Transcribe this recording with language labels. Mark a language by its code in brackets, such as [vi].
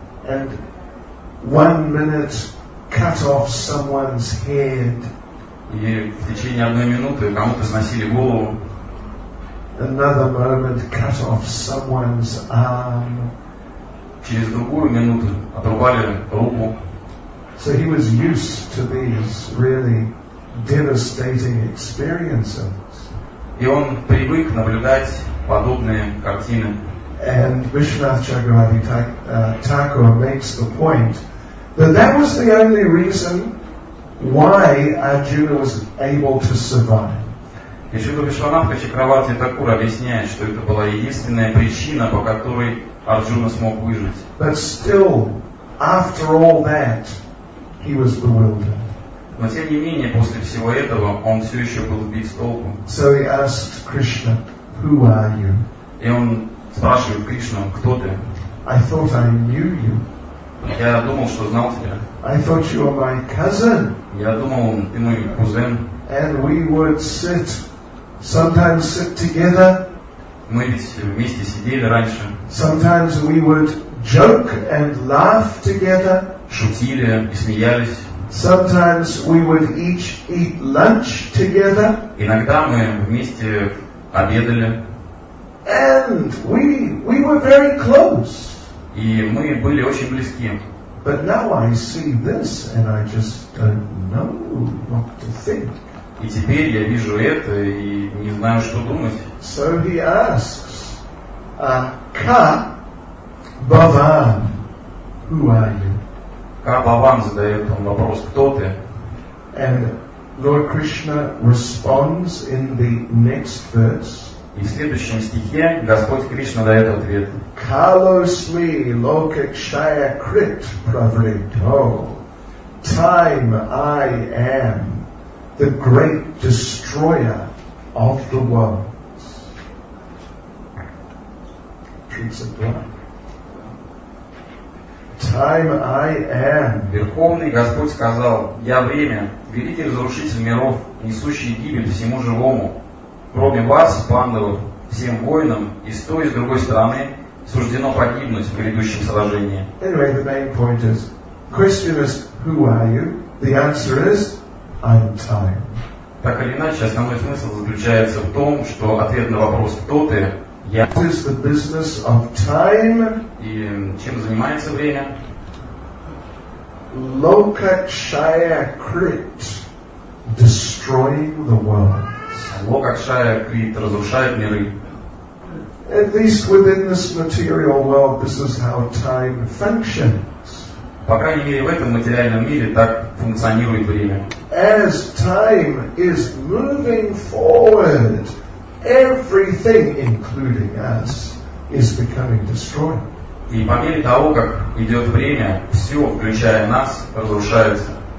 [en] And one minute cut off someone's head. [ru] И в течение одной минуты кому-то сносили голову. [en] Another moment cut off someone's arm. [ru] Через другую минуту отрубали руку. [en] So he was used to these really devastating experiences. [ru] И он привык наблюдать подобные картины. [en] And Vishwanath Chakravarti Thakura makes the point that that was the only reason why Arjuna was able to survive. [ru] И Шрила Вишванатха Чакраварти Такура объясняет, что это была единственная причина, по которой Арджуна смог выжить. [en] But still, after all that, he was bewildered. [ru] Но тем не менее, после всего этого, он все еще был сбит с толку. [en] So he asked Krishna, who are you? [ru] И он спрашивает Кришну, кто ты? [en] I thought I knew you. [ru] Я думал, что знал тебя. [en] I thought you were my cousin. [ru] Я думал, ты мой кузен. [en] And we would sit, sometimes sit together. [ru] Мы вместе сидели раньше. [en] Sometimes we would joke and laugh together. [ru] Шутили и смеялись. [en] Sometimes we would each eat lunch together. [ru] Иногда мы вместе обедали. [en] And we were very close. [ru] И мы были очень близки. [en] But now I see this and I just don't know what to think. [ru] И теперь я вижу это и не знаю, что думать. [en] So he asks, Ka Bhavan, who are you? [ru] Ka Bhavan задает он вопрос, кто ты? [en] And Lord Krishna responds in the next verse. [ru] И в следующем стихе Господь Кришна дает ответ. [sa] Калосми локакшая крит праврито. [en] Time I am, the great destroyer of the worlds. Time I am. [ru] Верховный Господь сказал, я время, великий разрушитель миров, несущий гибель всему живому. Кроме вас, пандавов, всем воинам, и с той, и с другой стороны, суждено погибнуть в грядущем сражении. [en] Anyway, the main point is, question is, who are you? The answer is, I'm time. [ru] Так или иначе, основной смысл заключается в том, что ответ на вопрос, кто ты, я. [en] What is the business of time? [ru] И чем занимается время? [en] Lokakshaya Krit, destroying the world. [ru] Локакшая крит разрушает миры. [en] At least within this material world, this is how time functions. [ru] По крайней мере, в этом материальном мире так функционирует время. [en] As time is moving forward, everything, including us, is becoming destroyed. [ru] И по мере того, как идет время, все, включая нас, разрушается.